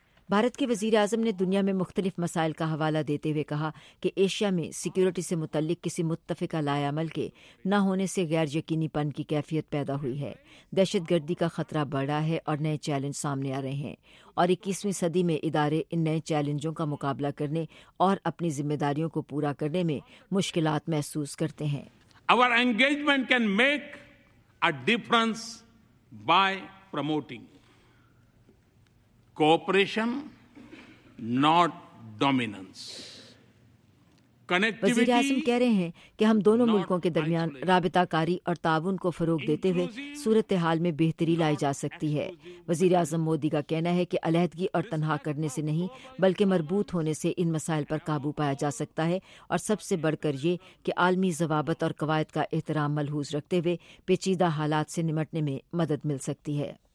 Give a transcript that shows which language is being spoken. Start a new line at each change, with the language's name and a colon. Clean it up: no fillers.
Urdu: بھارت کے وزیر اعظم نے دنیا میں مختلف مسائل کا حوالہ دیتے ہوئے کہا کہ ایشیا میں سیکیورٹی سے متعلق کسی متفقہ لائے عمل کے نہ ہونے سے غیر یقینی پن کی کیفیت پیدا ہوئی ہے، دہشت گردی کا خطرہ بڑھا ہے اور نئے چیلنج سامنے آ رہے ہیں، اور 21ویں صدی میں ادارے ان نئے چیلنجوں کا مقابلہ کرنے اور اپنی ذمہ داریوں کو پورا کرنے میں مشکلات محسوس کرتے ہیں.
English: Our engagement can make a difference by promoting cooperation, not dominance.
Urdu: وزیر اعظم کہہ رہے ہیں کہ ہم دونوں ملکوں کے درمیان رابطہ کاری اور تعاون کو فروغ دیتے ہوئے صورتحال میں بہتری لائی جا سکتی ہے. وزیر اعظم مودی کا کہنا ہے کہ علیحدگی اور تنہا کرنے سے نہیں بلکہ مربوط ہونے سے ان مسائل پر قابو پایا جا سکتا ہے، اور سب سے بڑھ کر یہ کہ عالمی ضوابط اور قواعد کا احترام ملحوظ رکھتے ہوئے پیچیدہ حالات سے نمٹنے میں مدد مل سکتی ہے.